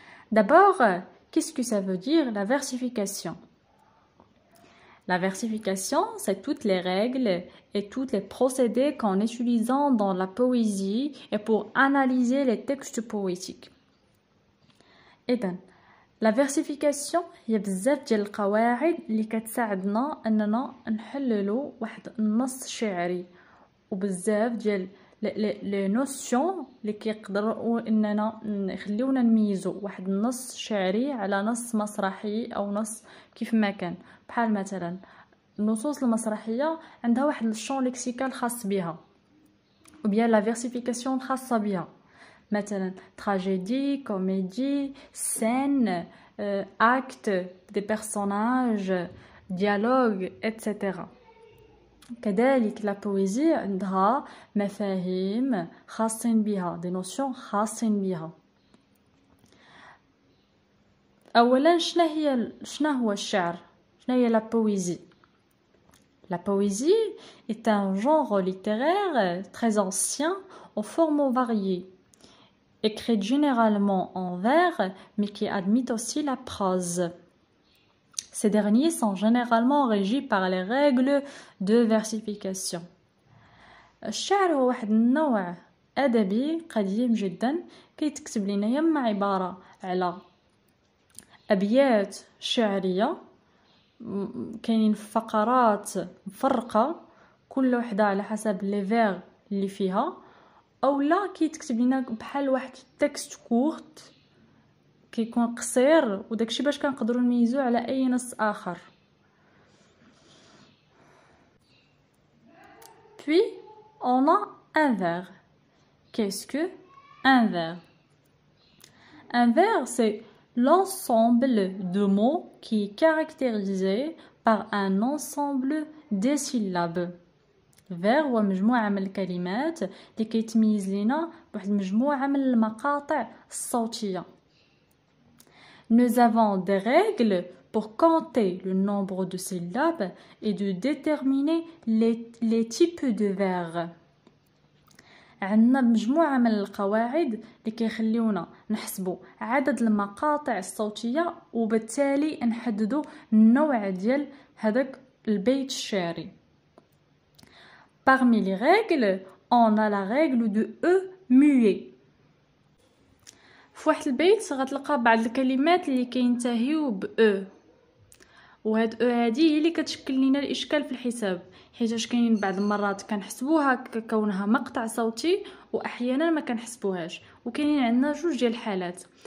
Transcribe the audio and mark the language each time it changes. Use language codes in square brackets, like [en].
[fr] D'abord, qu'est-ce que ça veut dire la versification? La versification, c'est toutes les règles et tous les procédés qu'on utilise dans la poésie et pour analyser les textes poétiques. Eden. [ar] La versification هي بزاف ديال القواعد اللي كتساعدنا اننا نحللو واحد النص شعري وبزاف ديال لي نوسيون اللي كيقدروا اننا نخليونا نميزو واحد النص شعري على نص مسرحي او نص كيف ما كان. بحال مثلا النصوص المسرحيه عندها واحد الشون ليكسيكال خاص بها وبيا لا فيرسيفيكاسيون خاصه بها، مثلا تراجيدي، كوميدي، سين، اكت، دي بيرسوناج، ديالوغ، اتسيتيرا. كذلك لا بويزي عندها مفاهيم خاصين بها، دي نوسيون خاصين بها. اولا شنو هو الشعر؟ شنو هي لا بويزي؟ [fr] La poésie est un genre littéraire très ancien aux formes variées, écrite généralement en vers, mais qui admet aussi la prose. Ces derniers sont généralement régis par les règles de versification. [ar] الشعر هو واحد النوع أدبي قديم جدا كيتكتب لنا يا إما عبارة على أبيات شعرية، كاينين فقرات مفرقة كل واحدة على حسب لي فيغ اللي فيها، او لا كيتكتب لينا بحال واحد التكست كورت كيكون قصير وداكشي باش كنقدروا نميزو على اي نص اخر. [fr] puis on a un vers. qu'est-ce que un vers? un vers c'est l'ensemble de mots qui est caractérisé par un ensemble de syllabes. [ar] فير هو مجموعة من الكلمات اللي كيتميز لينا بواحد مجموعة من المقاطع الصوتية. [fr] Nous avons des règles pour compter le nombre de syllabes et de déterminer les types de vers. [ar] عندنا مجموعة من القواعد اللي كيخليونا نحسبوا عدد المقاطع الصوتية وبالتالي نحددوا النوع ديال هذاك البيت الشعري. [fr] Parmi les règles, on a la règle de E muet. [ar] فواحد البيت غتلقى بعض الكلمات اللي كينتهيو ب E، وهاد E هادي هي اللي كتشكل لنا الإشكال في الحساب، حيتاش كاينين بعض المرات كنحسبوها ككونها مقطع صوتي وأحيانا ما كنحسبوهاش، وكاينين عندنا جوج ديال الحالات.